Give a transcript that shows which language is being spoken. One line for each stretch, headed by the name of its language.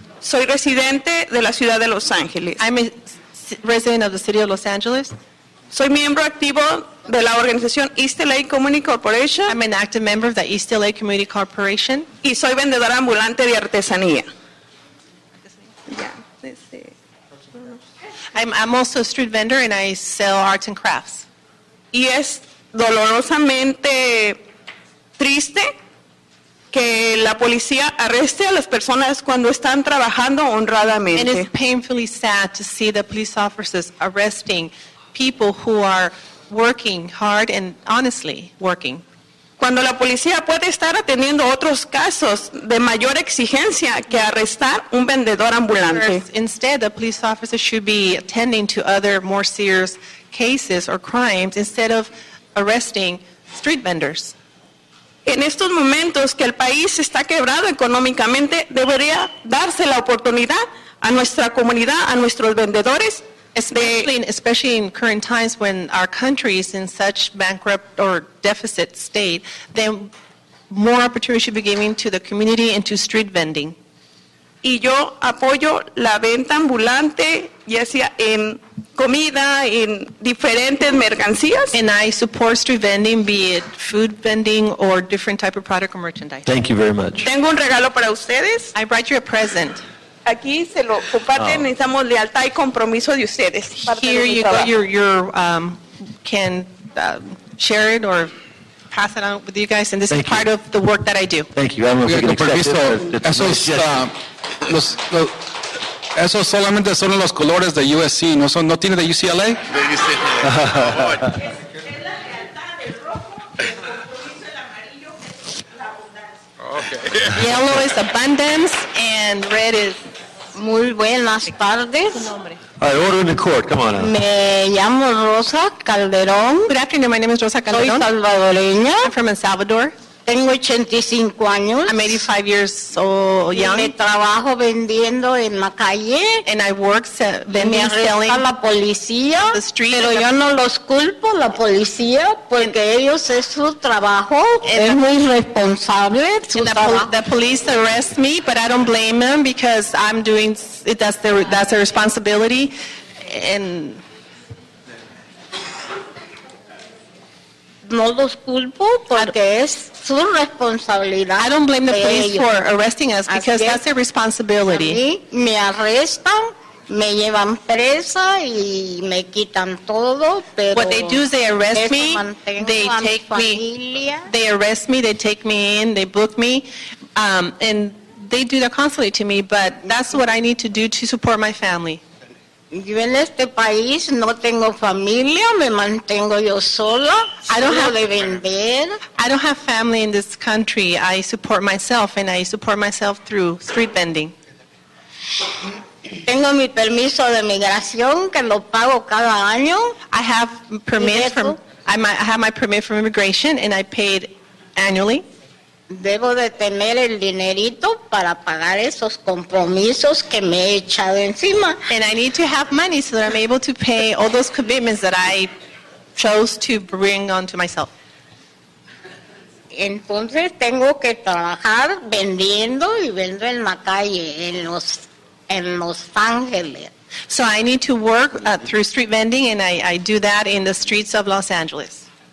Spanish: Soy residente de la ciudad de Los Ángeles.
English: I'm a resident of the city of Los Angeles.
Spanish: Soy miembro activo de la organización East LA Community Corporation.
English: I'm an active member of the East LA Community Corporation.
Spanish: Y soy vendedora ambulante de artesanía.
English: I'm also a street vendor and I sell arts and crafts.
Spanish: Y es dolorosamente triste que la policía arreste a las personas cuando están trabajando honradamente.
English: And it's painfully sad to see the police officers arresting people who are working hard and honestly working.
Spanish: Cuando la policía puede estar atendiendo otros casos de mayor exigencia que arrestar un vendedor ambulante.
English: Instead, the police officer should be attending to other more serious cases or crimes instead of arresting street vendors.
Spanish: En estos momentos que el país está quebrado económicamente, debería darse la oportunidad a nuestra comunidad, a nuestros vendedores.
English: Especially in current times when our country is in such bankrupt or deficit state, then more opportunity should be given to the community and to street vending.
Spanish: Y yo apoyo la venta ambulante, ya sea en comida, en diferentes mercancías.
English: And I support street vending, be it food vending or different type of product or merchandise. Thank you very much.
Spanish: Tengo un regalo para ustedes.
English: I brought you a present.
Spanish: Aquí se lo comparten, necesitamos lealtad y compromiso de ustedes.
English: Here you go, share it or pass it on with you guys, and this Thank is part you. Of the work that I do. Thank you. I don't know if you can accept it.
Spanish: Eso es, eso solamente son los colores de USC, no son, no tiene de UCLA? De UCLA.
English: Okay. Yellow is abundance and red is
Spanish: muy buenas tardes.
English: All right, order in the court. Come on out.
Spanish: Me llamo Rosa Calderón.
English: Good afternoon. My name is Rosa Calderón.
Spanish: Soy salvadoreña.
English: I'm from El Salvador.
Spanish: Tengo 85 años.
English: I'm 85 years old. Young.
Spanish: Y me trabajo vendiendo en la calle.
English: And I work vending, selling.
Spanish: La policía.
English: The street.
Spanish: Pero yo no los culpo, la policía, porque ellos es su trabajo. Es muy responsable.
English: The police arrest me, but I don't blame them because I'm doing it. That's their responsibility. And
Spanish: no los culpo porque es su responsabilidad.
English: I don't blame the police for arresting us because that's their responsibility.
Spanish: Me arrestan, me llevan presa y me quitan todo, pero
English: what they do is they arrest me, they take me, they arrest me, they take me in, they book me, and they do that constantly to me, but that's what I need to do to support my family.
Spanish: Yo en este país no tengo familia, me mantengo yo sola.
English: I don't have
Spanish: de vender.
English: I don't have family in this country. I support myself, and I support myself through street vending.
Spanish: Tengo mi permiso de migración que lo pago cada año.
English: I have permit from I have my permit from immigration, and I pay it annually.
Spanish: Debo de tener el dinerito para pagar esos compromisos que me he echado encima.
English: And I need to have money so that I'm able to pay all those commitments that I chose to bring onto myself.
Spanish: Entonces tengo que trabajar vendiendo y vendo en la calle, en Los Ángeles.
English: So I need to work through street vending, and I do that in the streets of Los Angeles.